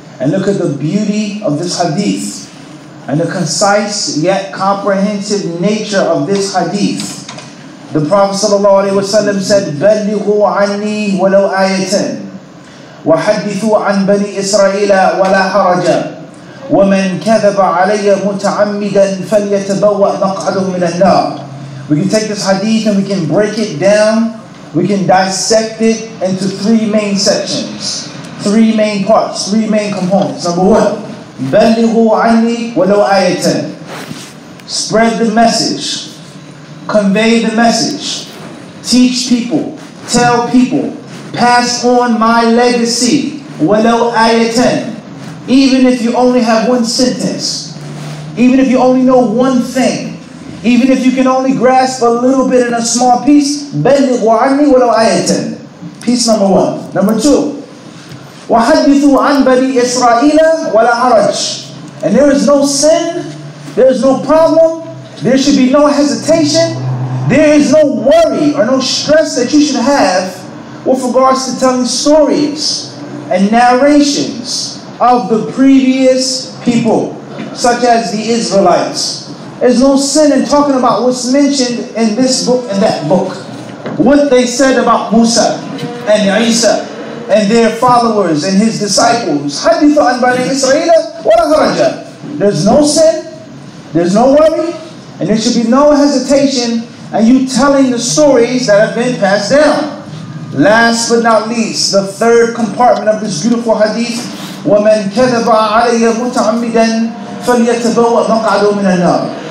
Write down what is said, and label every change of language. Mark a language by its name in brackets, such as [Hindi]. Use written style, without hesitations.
[English] And look at the beauty of this hadith and the concise yet comprehensive nature of this hadith. The Prophet sallallahu alayhi wa sallam said, [Arabic] بَلِّغُوا عَنِّي وَلَوْ آيَةً وحدثوا عن بني إسرائيل ولا حرج، ومن كذب علي متعمدا فليتبوأ مقعده من النار. [English] We can take this hadith and we can break it down, we can dissect it into three main sections, three main parts, three main components. Number one, [Arabic] بلغوا عني ولو آية. [English] Spread the message, convey the message, teach people, tell people, pass on my legacy, [Arabic] ولو آيةً. [English] Even if you only have one sentence, even if you only know one thing, even if you can only grasp a little bit in a small piece, [Arabic] بلغوا عني ولو آيةً. [English] Piece number one. Number two, [Arabic] وحدثوا عن بني إسرائيل ولا حرج. [English] And there is no sin, there is no problem, there should be no hesitation, there is no worry or no stress that you should have with regards to telling stories and narrations of the previous people, such as the Israelites. There's no sin in talking about what's mentioned in this book and that book. What they said about Musa and Isa and their followers and his disciples. [Arabic] حدث عن بني إسرائيل ولا حرج. [English] There's no sin, there's no worry, and there should be no hesitation and you telling the stories that have been passed down. Last but not least, the third compartment of this beautiful hadith, [Arabic] وَمَنْ كَذَبَ عَلَيَّ مُتَعَمِّدًا فَلْيَتَبَوَّأْ مَقْعَدُ مِنَ النَّارِ.